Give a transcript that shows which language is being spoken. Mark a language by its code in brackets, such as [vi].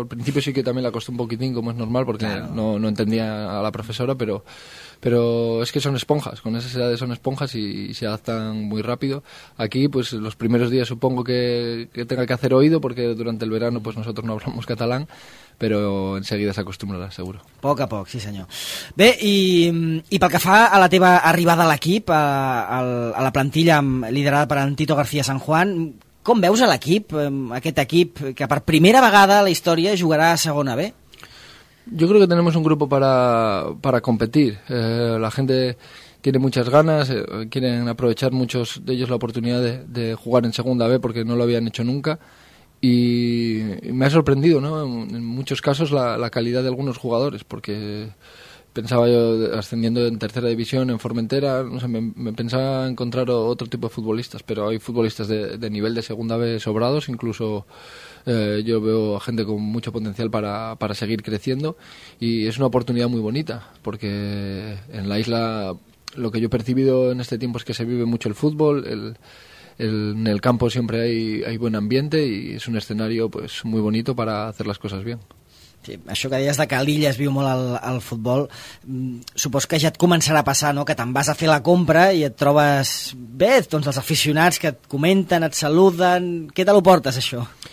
[es] Al principio sí que también le costó un poquitín, como es normal, porque claro, no entendía a la profesora, pero es que son esponjas, con esas edades son esponjas y se adaptan muy rápido. Aquí, pues los primeros días supongo que tenga que hacer oído, porque durante el verano pues nosotros no hablamos catalán, pero enseguida se acostumbrará, seguro. [ca] Poc a poc, sí senyor. Bé, i pel que fa a la teva arribada a l'equip, a la plantilla liderada per en Tito García San Juan, com veus a l'equip, aquest equip que per primera vegada a la història jugarà a Segona B? [es] Yo creo que tenemos un grupo para competir. La gente tiene muchas ganas, quieren aprovechar muchos de ellos la oportunidad de jugar en Segunda B porque no lo habían hecho nunca. Y me ha sorprendido, ¿no?, en muchos casos la calidad de algunos jugadores, porque pensaba yo, ascendiendo en Tercera División, en Formentera, no sé, me pensaba encontrar otro tipo de futbolistas, pero hay futbolistas de nivel de Segunda B sobrados, incluso. Yo veo a gente con mucho potencial para seguir creciendo y es una oportunidad muy bonita porque en la isla lo que yo he percibido en este tiempo es que se vive mucho el fútbol, en el campo siempre hay buen ambiente y es un escenario pues muy bonito para hacer las cosas bien. [ca] Sí, això que deies de que a l'illa es viu molt el futbol, supos que ja et començarà a passar, no?, que te'n vas a fer la compra i et trobes bé, doncs els aficionats que et comenten, et saluden, què te lo portes això?